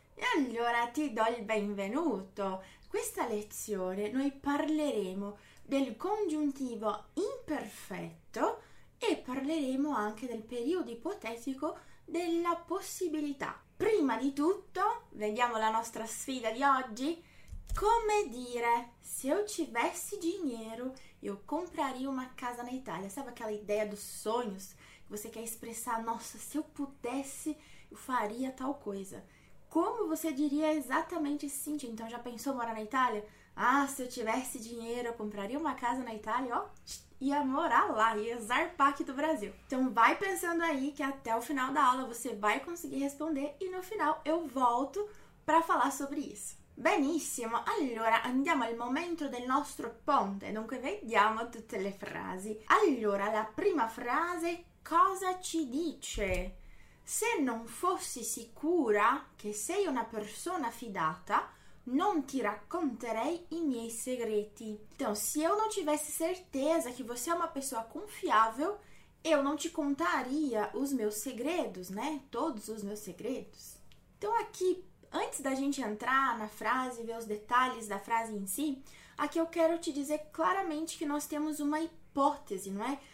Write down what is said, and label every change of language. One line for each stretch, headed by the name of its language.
Italian: E allora ti do il benvenuto. Questa lezione noi parleremo del congiuntivo imperfetto e parleremo anche del periodo ipotetico della possibilità. Prima di tutto, vediamo la nostra sfida di oggi. Come dire,
Portuguese: se eu tivesse dinheiro, eu compraria uma casa na Itália. Sabe aquela ideia dos sonhos que você quer expressar? Nossa, se eu pudesse, eu faria tal coisa. Como você diria exatamente assim? Então, já pensou em morar na Itália? Ah, se eu tivesse dinheiro, eu compraria uma casa na Itália, ó, ia morar lá, ia zarpar aqui do Brasil. Então, vai pensando aí que até o final da aula você vai conseguir responder e no final eu volto para falar sobre isso.
Italian: Benissimo, allora andiamo al momento del nostro ponte, dunque vediamo tutte le frasi. Allora, la prima frase cosa ci dice? Se non fossi sicura che sei una persona fidata, non ti racconterei i miei segreti.
Portuguese: Então, se eu não tivesse certeza que você é uma pessoa confiável, eu não te contaria os meus segredos, né? Todos os meus segredos. Então, aqui, antes da gente entrar na frase, ver os detalhes da frase em si, aqui eu quero te dizer claramente que nós temos uma hipótese, não é?